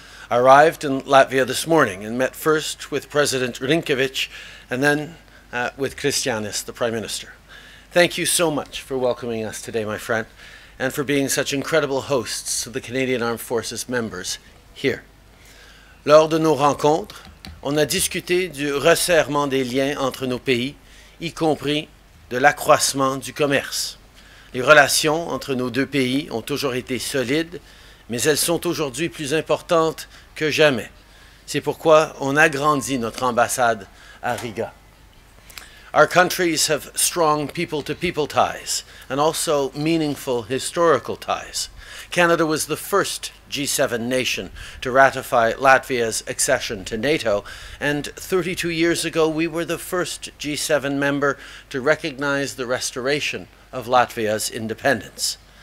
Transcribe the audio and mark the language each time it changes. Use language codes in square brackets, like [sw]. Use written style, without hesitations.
[en] I arrived in Latvia this morning and met first with President Rinkevich and then with Kristianis, the Prime Minister. Thank you so much for welcoming us today, my friend, and for being such incredible hosts to the Canadian Armed Forces members here. [fr] Lors de nos rencontres, on a discuté du resserrement des liens entre nos pays, y compris de l'accroissement du commerce. Les relations entre nos deux pays ont toujours été solides, mais elles sont aujourd'hui plus importantes que jamais. C'est pourquoi on agrandit notre ambassade à Riga. [en] Our countries have strong people-to-people ties and also meaningful historical ties. Canada was the first G7 nation to ratify Latvia's accession to NATO, and 32 years ago we were the first G7 member to recognize the restoration of Latvia's independence.